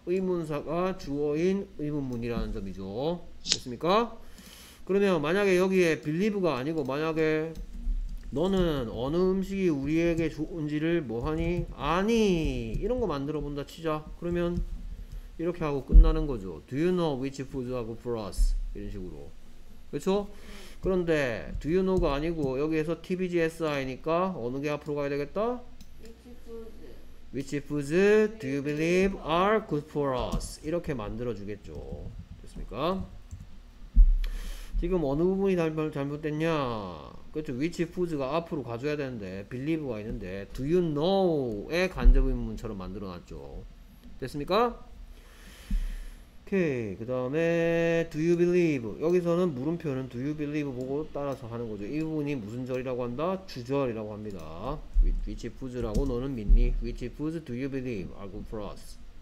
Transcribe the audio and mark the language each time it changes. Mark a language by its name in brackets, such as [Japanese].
[Korean] 의문사가 주어인 의문문이라는 점이죠. 됐습니까? 그러네요. 만약에 여기에 believe가 아니고 만약에 너는 어느 음식이 우리에게 좋은지를 뭐하니? 아니! 이런 거 만들어 본다 치자. 그러면 이렇게 하고 끝나는 거죠. [English] Do you know which food [Korean] 하고 [English] for us? [Korean] 이런 식으로. 그렇죠? 그런데 [English] do you know [Korean] 가 아니고 여기에서 TBGSI니까 어느 게 앞으로 가야 되겠다? [English] Which foods? Which foods do you believe are good for us? [Korean] 이렇게 만들어 주겠죠. 됐습니까? 지금 어느 부분이 잘못됐냐? 그렇죠. [English] Which foods [Korean] 가 앞으로 가줘야 되는데 believe가 있는데 [English] do you know [Korean] 의 간접 의문처럼 만들어 놨죠. 됐습니까? 오케이. 그 다음에 [English] do you believe, [Korean] 여기서는 물음표는 do you believe 보고 따라서 하는 거죠. 이 부분이 무슨 절이라고 한다? 주절이라고 합니다. [English] Which foods [Korean] 라고 너는 믿니? [English] Which foods do you believe are good for us?